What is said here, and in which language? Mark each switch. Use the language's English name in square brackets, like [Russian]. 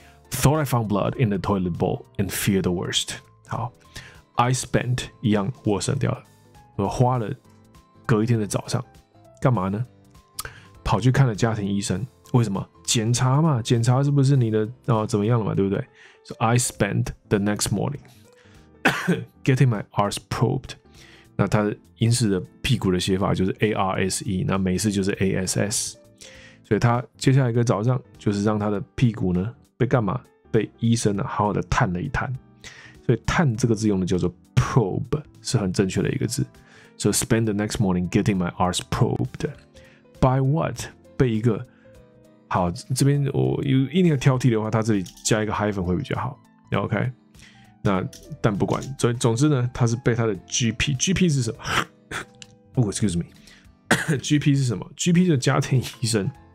[English] Thought I found blood in the toilet bowl and feared the worst。 好 ，I spent [Chinese] 一样我省掉了，我花了隔一天的早上干嘛呢？跑去看了家庭医生，为什么？检查嘛，检查是不是你的、怎么样了嘛，对不对？ [English] So I spent the next morning getting my arse probed. [Chinese] 那他英式的屁股的写法就是 arse， 那美式就是 ass。所以他接下来一个早上就是让他的屁股呢被干嘛？被医生呢好好的探了一探。所以探这个字用的叫做 probe， 是很正确的一个字。 [English] So spend the next morning getting my arse probed by what？ [Chinese] 被一个好，这边我有一定要挑剔的话，他这里加一个 hyphen 会比较好。 OK， 那但不管，总之呢，他是被他的 GP 是什么？ excuse me，GP 是什么 ？GP 是家庭医生。